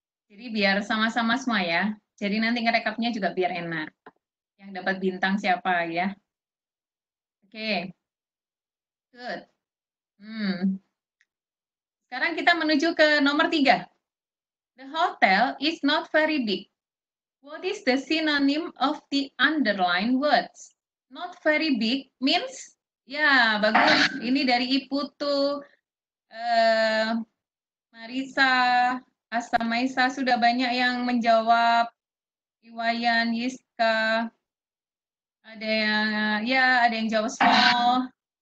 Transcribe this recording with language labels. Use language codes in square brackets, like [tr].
[id] Jadi biar sama-sama semua ya. Jadi nanti ngerekapnya juga biar enak. Yang dapat bintang siapa ya. Okay. Good. Sekarang kita menuju ke nomor tiga. [en] The hotel is not very big. What is the synonym of the underlined words? Not very big means? [id] Ya, bagus. Ini dari Iputu, Marisa, Asamaisa sudah banyak yang menjawab. Iwayan, Yiska. Ada yang, ya, ada yang jawab small.